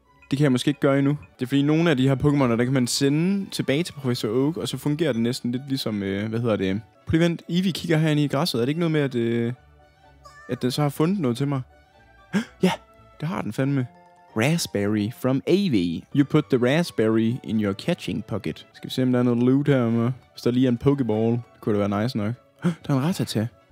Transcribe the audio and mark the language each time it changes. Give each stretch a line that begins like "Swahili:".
Danish: Det kan jeg måske ikke gøre endnu. Det er fordi, nogle af de her Pokémoner, der kan man sende tilbage til Professor Oak, og så fungerer det næsten lidt ligesom, hvad hedder det? Prøv lige vent, Eevee kigger herinde i græsset. Er det ikke noget med, at den så har fundet noget til mig? Ja, det har den fandme.
English: Raspberry from Eevee. You put the raspberry in your catching pocket.
Danish: Skal vi se, om der er noget loot her, om hvis der lige er en Pokéball, kunne det være nice nok. Der er en Rattata.